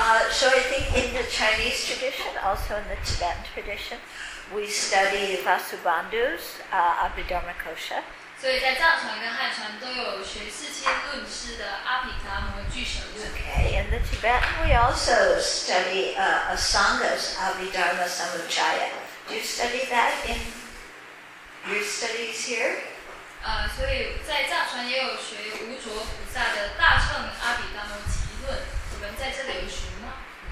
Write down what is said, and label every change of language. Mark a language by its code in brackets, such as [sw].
[en] So I think in the Chinese tradition, also in the Tibetan tradition, we study Vasubandhu's Abhidharma Kosha. [zh] 所以在藏传跟汉传都有学四千论师的阿毗达摩俱舍论。 [en] Okay, in the Tibetan, we also study Asanga's Abhidharma Samuchaya. Do you study that in your studies here? [zh] 所以在藏传也有学无着菩萨的大乘阿毗达摩集论，我们在这里有学吗？